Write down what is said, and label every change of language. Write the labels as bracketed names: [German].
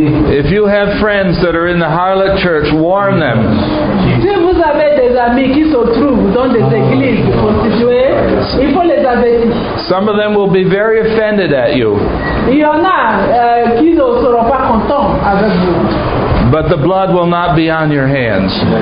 [English] If you have friends that are in the harlot church, warn them. [French] Si vous avez des amis qui se trouvent dans des églises prostituées, il faut les avertir. [English] Some of them will be very offended at you. [French] Il y en a qui ne seront pas contents avec vous. [English] But the blood will not be on your hands.